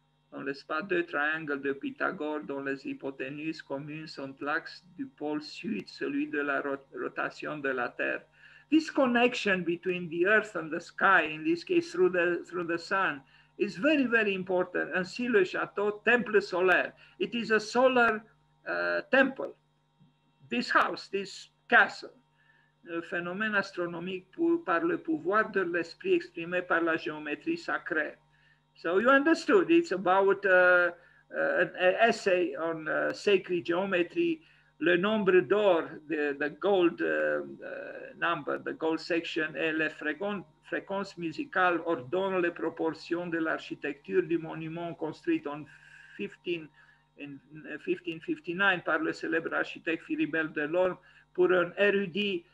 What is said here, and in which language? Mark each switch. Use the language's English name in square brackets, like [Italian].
[French] Dans l'espace de triangle de Pythagore, dont les hypoténuses communes sont l'axe du pôle sud, celui de la rotation de la Terre. [English] This connection between the earth and the sky, in this case through the sun, is very, very important. And see Le Chateau, Temple Solaire. It is a solar temple. This house, this castle. [French] Le phénomène astronomique par le pouvoir de l'esprit exprimé par la géométrie sacrée. [English] So you understood, it's about an essay on sacred geometry. [French] Le nombre d'or, [English] the gold number, the gold section, [French] et les fréquences musicales ordonnent les proportions de l'architecture du monument construit en 1559 par le célèbre architecte Philibert Delorme pour un érudit.